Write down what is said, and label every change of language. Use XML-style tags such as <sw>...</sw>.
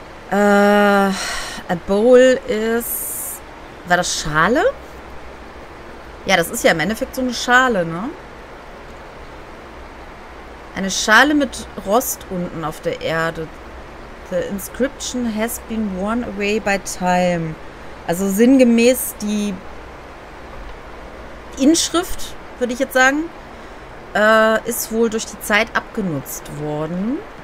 <en>A bowl</en> <de>ist... War das Schale? Ja, das ist ja im Endeffekt so eine Schale, ne? Eine Schale mit Rost unten auf der Erde.</de> <en>The inscription has been worn away by time.</en> <de>Also sinngemäß die Inschrift, würde ich jetzt sagen, ist wohl durch die Zeit abgenutzt worden.</de>